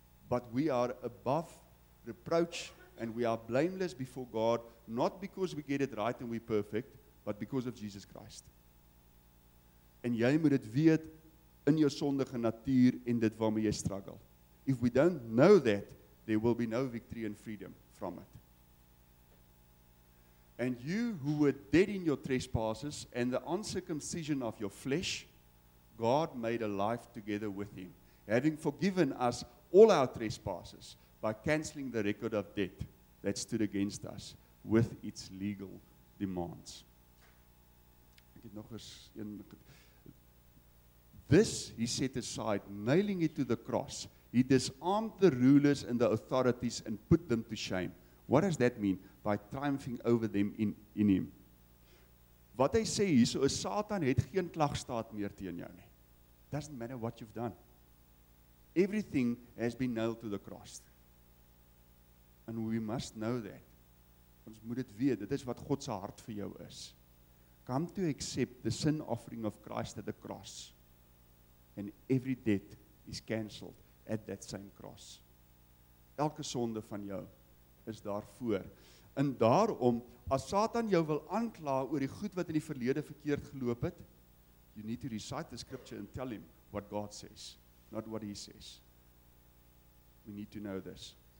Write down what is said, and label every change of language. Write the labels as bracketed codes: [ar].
[en] But we are above reproach and we are blameless before God, not because we get it right and we're perfect, but because of Jesus Christ. [af] En jy moet dit weet in jou sondige natuur en dit waarmee jy struggle. [en] If we don't know that, there will be no victory and freedom from it. And you who were dead in your trespasses and the uncircumcision of your flesh, God made alive together with Him, having forgiven us all our trespasses by cancelling the record of debt that stood against us with its legal demands. [af] het nog eens een. [en] This he set aside, nailing it to the cross. He disarmed the rulers and the authorities and put them to shame. What does that mean? By triumphing over them in him. [af] Wat hy sê hierso is, Satan het geen klagstaat meer teen jou nie. [en] Doesn't matter what you've done. Everything has been nailed to the cross. And we must know that. [af] Ons moet dit weet, dit is wat God se hart vir jou is. [en] Come to accept the sin offering of Christ at the cross. And every debt is cancelled at that same cross. [af] Elke sonde van jou is daarvoor. En daarom, as Satan jou wil aankla oor die goed wat in die verlede verkeerd geloop het, [en] you need to recite the scripture and tell him what God says, not what he says. We need to know this.